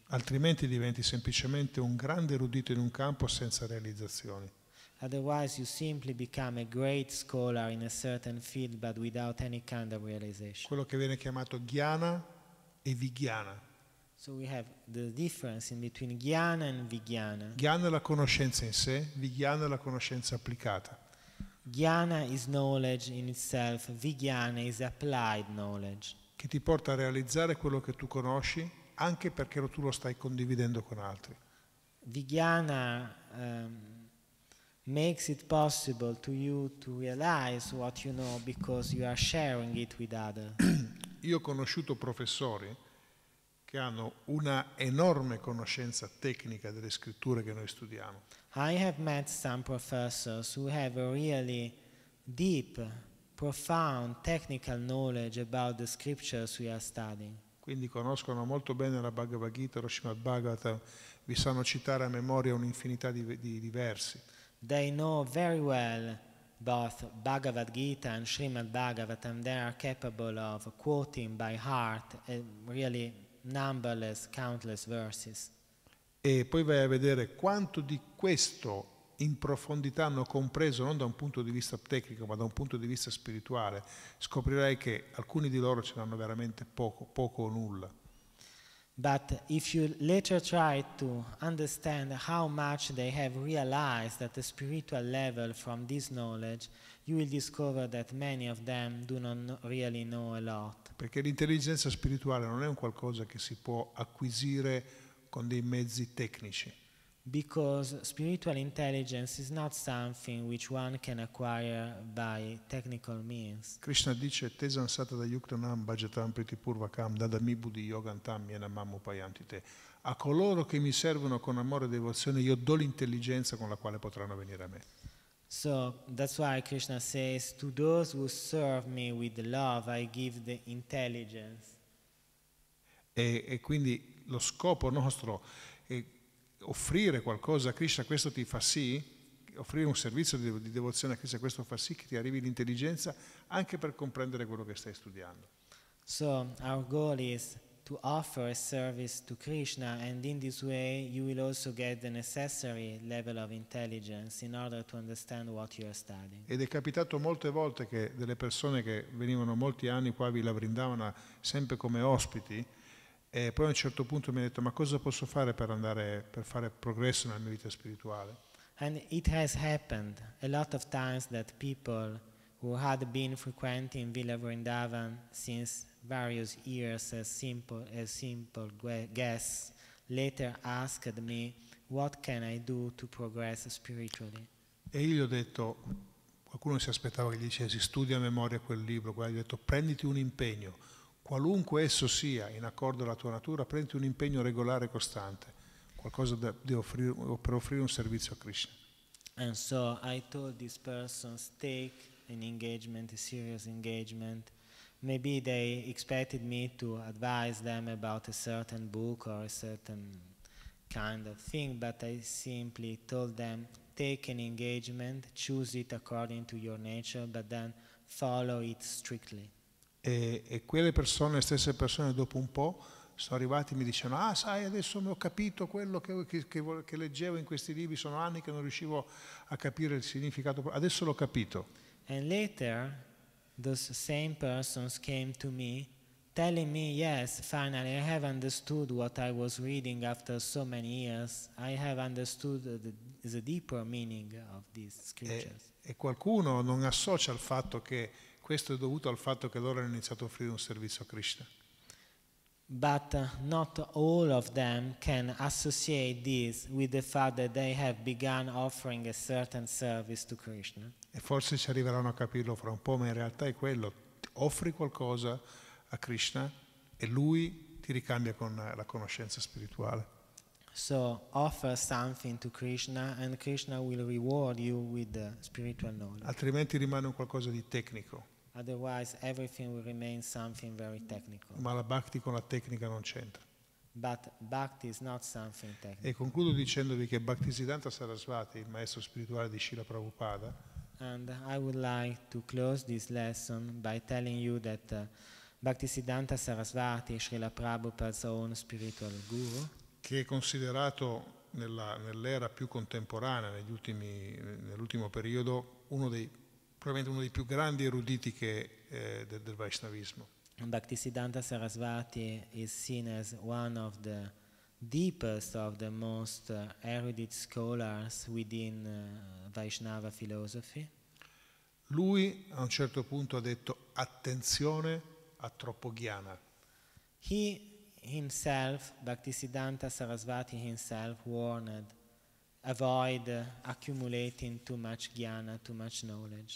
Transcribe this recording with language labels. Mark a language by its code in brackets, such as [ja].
[it] Altrimenti diventi semplicemente un grande erudito in un campo senza realizzazioni. [en] Otherwise you simply become a great scholar in a certain field but without any kind of realization. [it] Quello che viene chiamato jnana e vijnana. [en] So we have the difference in between jnana and vijnana. [it] Jnana è la conoscenza in sé, vijnana è la conoscenza applicata. [en] Jnana is knowledge in itself, vijnana is applied knowledge. [it] Che ti porta a realizzare quello che tu conosci anche perché tu lo stai condividendo con altri. [en] Vijnana makes it possible to you to realize what you know because you are sharing it with others. [it] Io ho conosciuto professori che hanno una enorme conoscenza tecnica delle scritture che noi studiamo. [en] I have met some professors who have a really deep, profound technical knowledge about the scriptures we are studying. [it] Quindi conoscono molto bene la Bhagavad Gita, lo Srimad Bhagavatam, vi sanno citare a memoria un'infinità di versi. [en] They know very well both Bhagavad Gita and Srimad Bhagavatam. They are capable of quoting by heart really numberless, countless verses. [it] E poi vai a vedere quanto di questo in profondità hanno compreso, non da un punto di vista tecnico, ma da un punto di vista spirituale, scoprirai che alcuni di loro ce l'hanno veramente poco o nulla. [en] But if you later try to understand how much they have realized at the spiritual level from this knowledge, you will discover that many of them do not really know a lot. [it] Perché l'intelligenza spirituale non è un qualcosa che si può acquisire con dei mezzi tecnici. [en] Because spiritual intelligence is not something which one can acquire by technical means. [it] Krishna dice [sa] tesam satada yuktanam bhajatam priti purvakam dadami buddhi yogantam yenamam upayantite. [it] A coloro che mi servono con amore e devozione io do l'intelligenza con la quale potranno venire a me. [en] So that's why Krishna says to those who serve me with love I give the intelligence. [it] E quindi lo scopo nostro è offrire qualcosa a Krishna, questo ti fa sì, offrire un servizio di devozione a Krishna, questo fa sì che ti arrivi l'intelligenza anche per comprendere quello che stai studiando. [en] So our goal is to offer a service to Krishna and in this way you will also get the necessary level of intelligence in order to understand what you are studying. [it] Ed è capitato molte volte che delle persone che venivano molti anni qua a Villa Vrindavana sempre come ospiti. E poi a un certo punto mi ha detto: ma cosa posso fare per fare progresso nella mia vita spirituale? [en] And it has happened a lot of times that people who had been frequenting Villa Vrindavan since various years as simple guests later asked me what can I do to progress spiritually. [it] E io gli ho detto, qualcuno si aspettava che gli dicessi studia a memoria quel libro, quello gli ho detto prenditi un impegno. Qualunque esso sia, in accordo alla tua natura, prendi un impegno regolare e costante, qualcosa per offrire un servizio a Krishna. [en] And so I told these persons take an engagement, a serious engagement. Maybe they expected me to advise them about a certain book or a certain kind of thing, but I simply told them take an engagement, choose it according to your nature, but then follow it strictly. [it] E quelle persone, le stesse persone, dopo un po' sono arrivati e mi dicevano: ah, sai, adesso ho capito quello che leggevo in questi libri, sono anni che non riuscivo a capire il significato, adesso l'ho capito. [en] And later those same persons came to me telling me: yes, finally I have understood what I was reading after so many years, I have understood the deeper meaning of these scriptures. [it] E qualcuno non associa il fatto che questo è dovuto al fatto che loro hanno iniziato a offrire un servizio a Krishna. [en] But not all of them can associate this with the fact that they have begun offering a certain service to Krishna. [it] E forse ci arriveranno a capirlo fra un po', ma in realtà è quello: offri qualcosa a Krishna e lui ti ricambia con la conoscenza spirituale. [en] So offer something to Krishna and Krishna will reward you with the spiritual knowledge. [it] Altrimenti rimane un qualcosa di tecnico. [en] Otherwise everything will remain something very technical. [it] Ma la bhakti con la tecnica non c'entra. [en] But bhakti is not something technical. [it] E concludo dicendovi che Bhaktisiddhanta Sarasvati, il maestro spirituale di Srila Prabhupada, [en] and I would like to close this lesson by telling you that Bhaktisiddhanta Sarasvati, Srila Prabhupada's own spiritual guru, [it] che è considerato nell'era più contemporanea, nell'ultimo periodo, probabilmente uno dei più grandi eruditi del Vaishnavismo. [en] Bhaktisiddhanta Sarasvati is seen as one of the deepest of the most erudite scholars within Vaishnava philosophy. [it] Lui a un certo punto ha detto: attenzione a troppo jnana. [en] He himself, Bhaktisiddhanta Sarasvati himself warned, avoid accumulating too much jnana, too much knowledge.